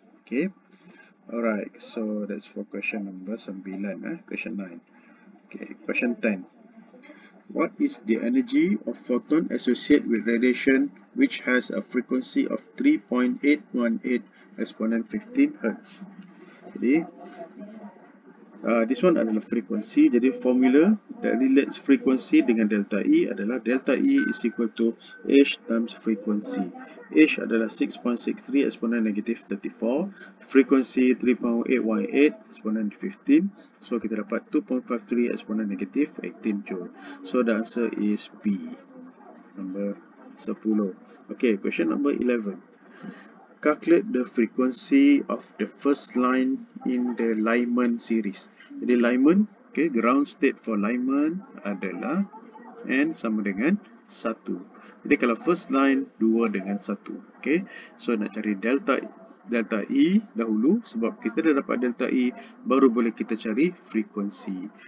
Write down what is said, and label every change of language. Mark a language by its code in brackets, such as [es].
[en] Okay, alright. So that's for question number 9. Question 9. Okay, question 10. What is the energy of photon associated with radiation which has a frequency of 3.818 exponent 15 hertz? [ms] Jadi [en] this one [ms] adalah frequency. [en] Jadi formula that relates frequency dengan delta E adalah delta E is equal to H times frequency. [ms] H adalah 6.63 exponent negative 34, frequency 3.818 exponent 15, so kita dapat 2.53 exponent negative 18 joule. [en] So the answer is B, number 10. Okay, question number 11. Calculate the frequency of the first line in the Lyman series. [ms] Jadi Lyman, okay, [en] ground state for Lyman [ms] adalah N sama dengan 1. Jadi kalau first line 2 dengan 1. Okay, so nak cari delta E dahulu, sebab kita dah dapat delta E, baru boleh kita cari frequency.